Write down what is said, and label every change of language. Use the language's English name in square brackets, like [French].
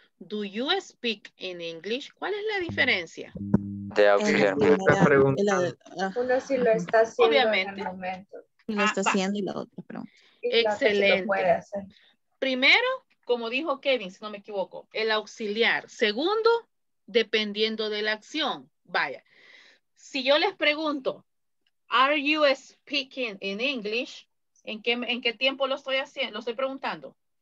[English] Do you speak in English? [Spanish] ¿Cuál es la diferencia? Te está preguntando. Uno sí lo está haciendo. Obviamente. En el momento. Lo está haciendo y la otra pregunta. Excelente. Lo puede hacer. Primero, como dijo Kevin, si no me equivoco, el auxiliar. Segundo, dependiendo de la acción. Vaya. Si yo les pregunto, [English] are you speaking in English? [Spanish] ¿En qué tiempo lo estoy haciendo? Lo estoy preguntando.